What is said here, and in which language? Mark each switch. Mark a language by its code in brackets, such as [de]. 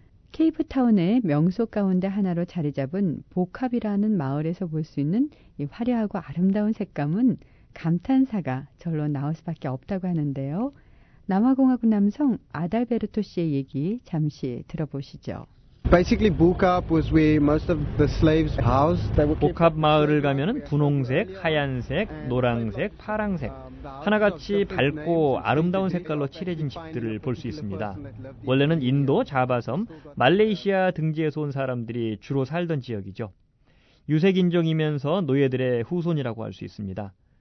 [ko] 케이프타운의 명소 가운데 하나로 자리 잡은 복합이라는 마을에서 볼 수 있는 이 화려하고 아름다운 색감은 감탄사가 절로 나올 수밖에 없다고 하는데요. 남아공화국 남성 아달베르토 씨의 얘기 잠시 들어보시죠. [en] Basically, Bukab was where most of the slaves housed. [ko] 복합 마을을 가면은 분홍색, 하얀색, 노랑색, 파랑색 하나같이 밝고 아름다운 색깔로 칠해진 집들을 볼 수 있습니다. 원래는 인도, 자바섬, 말레이시아 등지에서 온 사람들이 주로 살던 지역이죠. 유색 인종이면서 노예들의 후손이라고 할 수 있습니다.